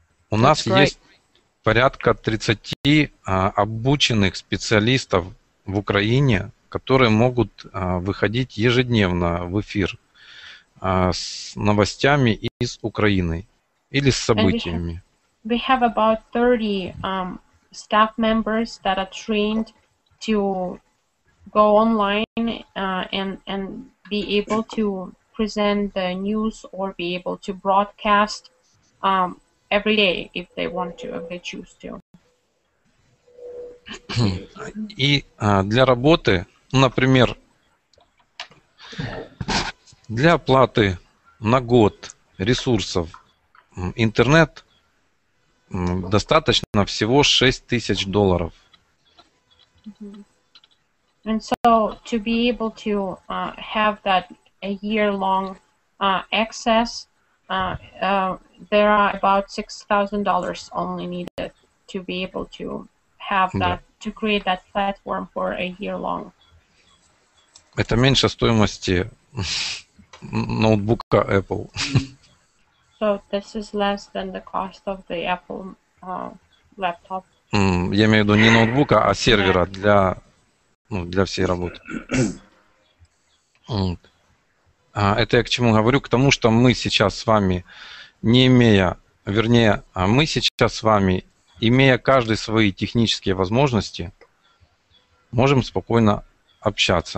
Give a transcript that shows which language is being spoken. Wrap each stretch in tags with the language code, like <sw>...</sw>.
<ru>У нас есть порядка 30 обученных специалистов в Украине, которые могут выходить ежедневно в эфир с новостями из Украины или с событиями.</ru> <en>We have about 30 staff members that are trained to go online and be able to present the news or be able to broadcast every day if they want to, if they choose to.</en> <ru>И для работы, например, для оплаты на год ресурсов интернет достаточно всего $6,000.</ru> <en>And so to be able to have that a year-long access, there are about $6,000 only needed to be able to have that, yeah, to create that platform for a year-long.</en> <ru>Это меньше стоимости ноутбука Apple.</ru> <en>So this is less than the cost of the Apple laptop.</en> <ru>Я имею в виду не ноутбука, а сервера для, ну, для всей работы. Это я к чему говорю? К тому, что мы сейчас с вами, не имея, вернее, мы сейчас с вами, имея каждый свои технические возможности, можем спокойно общаться.</ru>